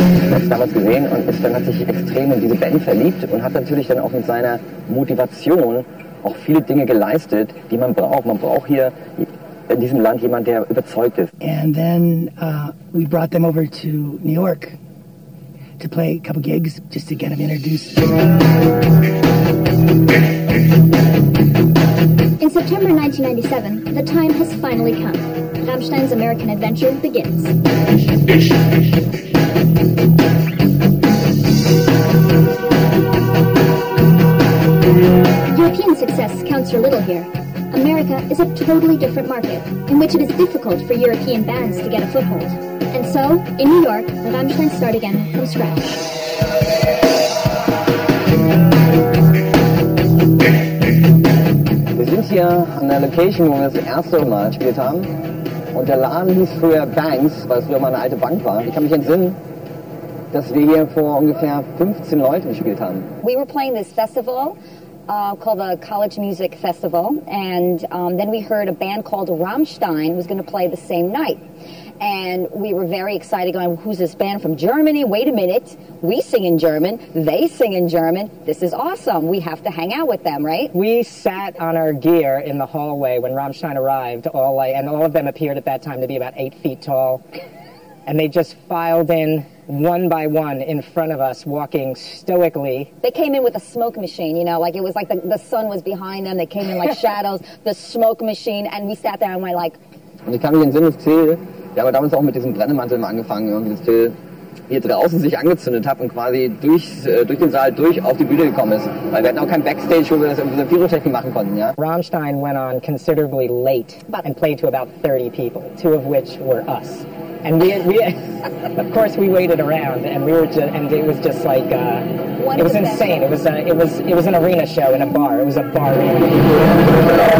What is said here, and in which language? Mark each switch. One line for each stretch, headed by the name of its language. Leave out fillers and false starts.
German: Er hat es damals gesehen und ist dann natürlich extrem in diese Band verliebt und hat natürlich dann auch mit seiner Motivation auch viele Dinge geleistet, die man braucht. Man braucht hier in diesem Land jemand, der überzeugt ist.
English: And then we brought them over to New York to play a couple gigs, just to get them introduced. In September 1997, the time has finally come. Rammstein's American adventure begins. European success counts for little here. America is a totally different market, in which it is difficult for European bands to get a foothold. And so, in New York, Rammstein start again from scratch.
German: Hier an der Location, wo wir das erste Mal gespielt haben. Und der Laden hieß früher Banks, weil es früher mal eine alte Bank war. Ich kann mich entsinnen, dass wir hier vor ungefähr 15 Leuten gespielt haben.
English: We were playing this festival called the College Music Festival. And then we heard a band called Rammstein was going to play the same night. And we were very excited, going, who's this band from Germany? Wait a minute, we sing in German, they sing in German, this is awesome, we have to hang out with them, right? We sat on our gear in the hallway when Rammstein arrived, all of them appeared at that time to be about 8 feet tall, and they just filed in one by one in front of us, walking stoically. They came in with a smoke machine, you know, like it was like the sun was behind them, they came in like shadows, the smoke machine, and we sat there and we're like...
German: Und ich kann mich entsinnen, das Ziel. Ja, aber damals auch mit diesem Brennemantel mal angefangen, irgendwie, dass Till hier draußen sich angezündet hat und quasi durch den Saal durch auf die Bühne gekommen ist. Weil wir hatten auch kein Backstage, wo wir das irgendwie so Pyrotechnik machen konnten, ja.
English: Rammstein went on considerably late and played to about 30 people, two of which were us. And we of course we waited around and we were just, and it was just like it was insane. It was an arena show in a bar. It was a bar arena.